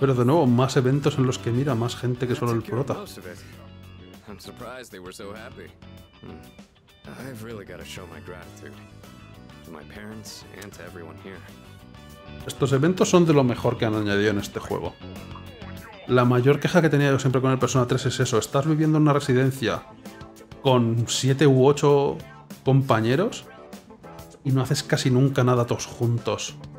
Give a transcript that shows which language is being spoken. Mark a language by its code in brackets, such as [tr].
[es] Pero de nuevo, más eventos en los que mira más gente que solo el prota. [en] I'm surprised they were so happy. I've really got to show my gratitude to my parents and to everyone here. [es] Estos eventos son de lo mejor que han añadido en este juego. La mayor queja que tenía yo siempre con el Persona 3 es eso, estás viviendo en una residencia con 7 u 8 compañeros y no haces casi nunca nada todos juntos.